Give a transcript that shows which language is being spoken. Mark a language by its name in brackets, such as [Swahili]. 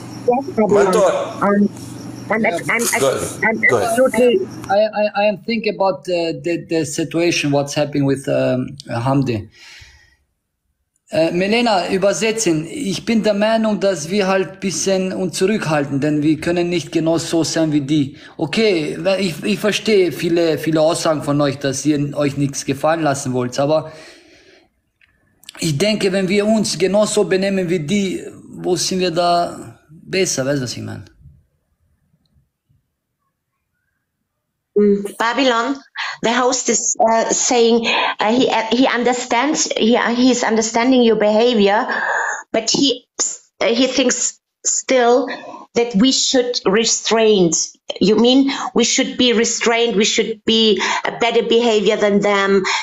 [English] I am thinking about the situation, what's happening with Hamdi. [German] Melena, übersetzen. Ich bin der Meinung, dass wir halt ein bisschen uns zurückhalten, denn wir können nicht genau so sein wie die. Okay, ich verstehe viele Aussagen von euch, dass ihr euch nichts gefallen lassen wollt, aber ich denke, wenn wir uns genau so benehmen wie die, wo sind wir da besser, weißt du, was ich meine? [English] Babylon, the host is saying he understands, he is understanding your behavior, but he thinks still that we should restrain. You mean we should be restrained, we should be a better behavior than them.